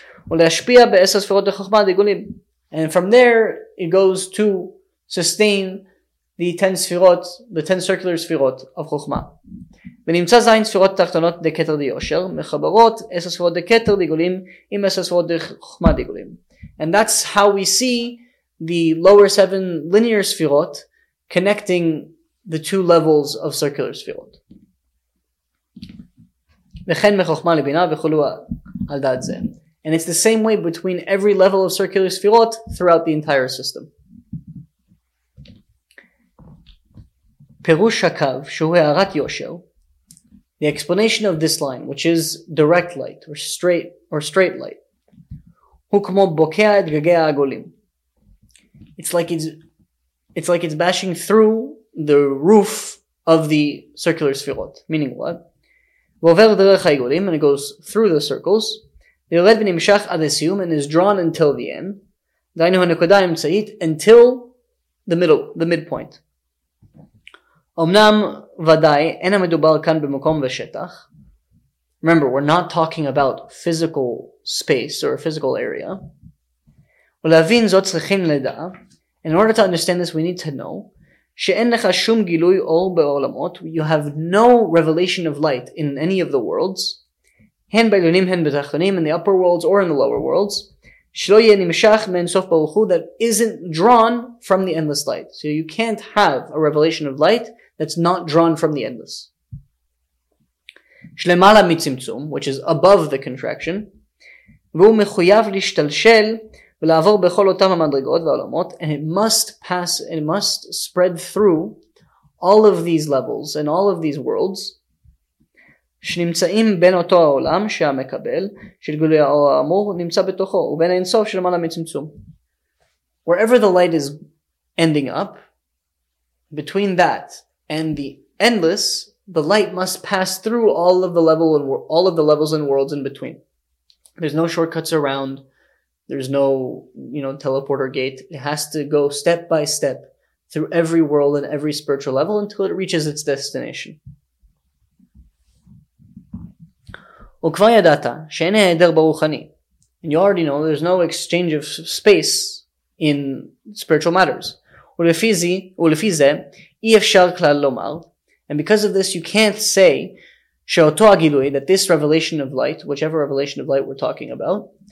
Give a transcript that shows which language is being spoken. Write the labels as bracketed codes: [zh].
[he] ולהשפיע בעשר ספירות [en] of חוכמה דגולים. And from there, it goes to sustain the 10 sfirot, the 10 circular sfirot of Chochmah. [he] ונמצא זין ספירות תחתונות דקטר דיושר, מחברות עשר ספירות דקטר דיגולים עם עשר ספירות דחוכמה דיגולים. [en] And that's how we see the lower 7 linear sfirot connecting the 2 levels of circular sfirot. [he] וכן מחוכמה לבינה וכולו על דעת זה. [en] And it's the same way between every level of circular sfirot throughout the entire system. [he] Perush hakav, shehu harat yosher, [en] the explanation of this line, which is direct light, or straight light, [he] hu kmo bokea et gagei ha'agolim. [en] It's like it's bashing through the roof of the circular sfirot. Meaning what? [he] Vover derech ha'agolim, [en] and it goes through the circles. [he] ויורד ונמשך עד הסיום, [en] and is drawn until the end, [he] דיינו הנקודה האמצעית, [en] until the middle, the midpoint. [he] אמנם ודאי, אין המדובר כאן במקום ושטח. [en] Remember, we're not talking about physical space or a physical area. [he] ולהבין זאת צריכים לדע, [en] in order to understand this, we need to know, [he] שאין לך שום גילוי אור בעולמות, [en] you have no revelation of light in any of the worlds, [he] הן בעליונים הן בתחתונים, [en] in the upper worlds or in the lower worlds, [he] שלא יהיה נמשך מאינסוף ברוך הוא, [en] that isn't drawn from the endless light. So you can't have a revelation of light that's not drawn from the endless. [he] שלמעלה מצמצום, [en] which is above the contraction, [he] והוא מחויב להשתלשל ולעבור בכל אותם המדרגות והעולמות, [en] and it must pass, it must spread through all of these levels and all of these worlds, [he] שנמצאים בין אותו העולם שהמקבל של גילוי האור האמור נמצא בתוכו ובין האינסוף של מעלה מצמצום. [en] Wherever the light is ending up, between that and the endless, the light must pass through all of the level and all of the levels and worlds in between. There's no shortcuts around, there's no, you know, teleporter gate. It has to go step by step through every world and every spiritual level until it reaches its destination. [he] וכבר ידעת שאין היעדר ברוחני. [en] And you already know there's no exchange of space in spiritual matters. [he] ולפי זה אי אפשר כלל לומר. [en] And because of this you can't say [he] שאותו הגילוי, [en] that this revelation of light, whichever revelation of light we're talking about,